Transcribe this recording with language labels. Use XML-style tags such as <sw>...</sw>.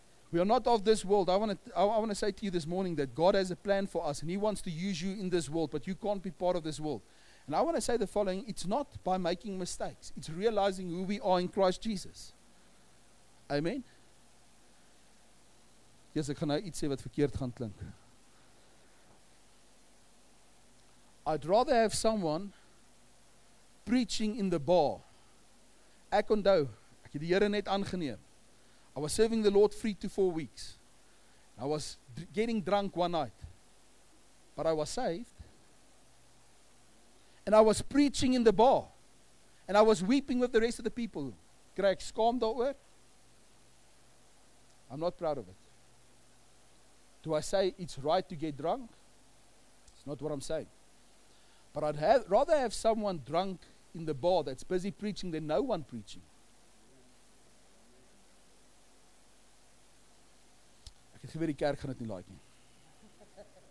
<en>We are not of this world. I want to say to you this morning that God has a plan for us and he wants to use you in this world, but you can't be part of this world. And I want to say the following. It's not by making mistakes. It's realizing who we are in Christ Jesus. Amen?</en> <af>Yes, ek gaan nou iets sê wat verkeerd gaan klink.</af> <en>I'd rather have someone preaching in the bar.</en> <af>Ek onthou, ek het die Here net aangeneem.</af> <en>I was serving the Lord 3 to 4 weeks. I was getting drunk one night. But I was saved. And I was preaching in the bar. And I was weeping with the rest of the people.</en> <af>Kry ek skaam daaroor?</af> <en>I'm not proud of it. Do I say it's right to get drunk? It's not what I'm saying. But I'd rather have someone drunk in the bar that's busy preaching than no one preaching. Ek het geweet die kerk gaan dit nie like nie.</en>